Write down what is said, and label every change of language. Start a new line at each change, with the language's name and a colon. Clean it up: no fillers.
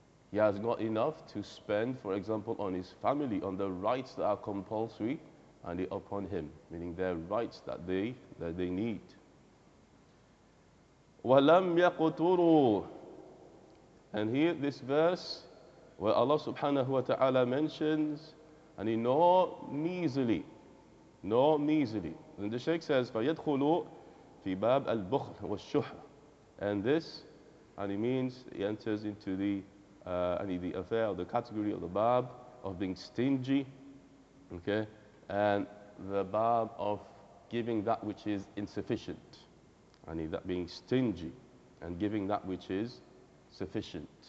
English: He has got enough to spend, for example, on his family, on the rights that are compulsory and upon him, meaning their rights that they need.
Arabic: وَلَمْ يَقْتُرُوا.
English: And here this verse where Allah subhanahu wa ta'ala mentions, and he nor measly. And the Shaykh says,
Arabic: فَيَدْخُلُوا فِي بَابَ الْبُخْلِ وَالشُّحْرِ.
English: And this, and he means he enters into the affair of the category of the bab of being stingy, okay, and the bab of giving that which is insufficient, and that being stingy and giving that which is sufficient.